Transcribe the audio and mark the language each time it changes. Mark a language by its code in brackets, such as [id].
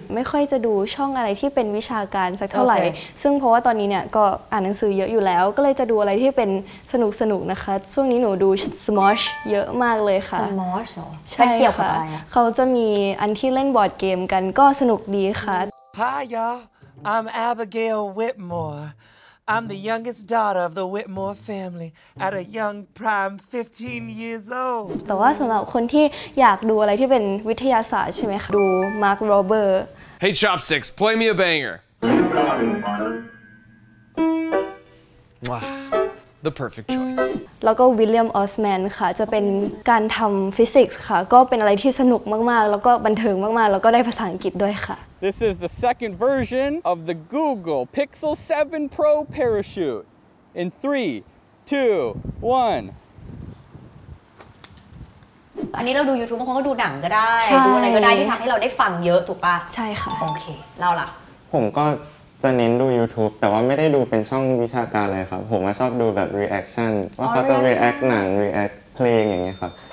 [th] ไม่ค่อยจะดูช่องอะไรที่เป็นวิชาการสักเท่าไหร่ซึ่งเพราะว่าตอนนี้เนี่ยก็อ่านหนังสือเยอะอยู่แล้วก็เลยจะดูอะไรที่เป็นสนุกๆ นะคะช่วงนี้หนูดู Smosh เยอะมากเลยค่ะ [en] Smosh [th] ใช่ค่ะเขาจะมีอันที่เล่นบอร์ดเกมกันก็สนุกดีค่ะ [en] Hi y'all I'm Abigail Whitmore I'm the youngest daughter of the Whitmore family at a young prime 15 years old [th] แต่ว่าสำหรับคนที่อยากดูอะไรที่เป็นวิทยาศาสตร์ใช่ไหมคะดู Mark Rober [en] Hey Chopsticks play me a banger Wow the perfect choice [th] แล้วก็วิลเลียมออสแมนค่ะจะเป็นการทำฟิสิกส์ค่ะก็เป็นอะไรที่สนุกมากๆแล้วก็บันเทิงมากๆแล้วก็ได้ภาษาอังกฤษด้วยค่ะ [en] This is the second version of the Google Pixel 7 Pro parachute in 3 2 1 [th] อันนี้เราดู YouTube บางคนก็ดูหนังก็ได้ดูอะไรก็ได้ที่ทำให้เราได้ฟังเยอะถูกป่ะ ใช่ค่ะ โอเคเราล่ะ ผมก็จะเน้นดู YouTube แต่ว่าไม่ได้ดูเป็นช่องวิชาการเลยครับผมชอบดูแบบ reaction ว่าเขาจะ react หนัง react เพลงอย่างเงี้ยครับ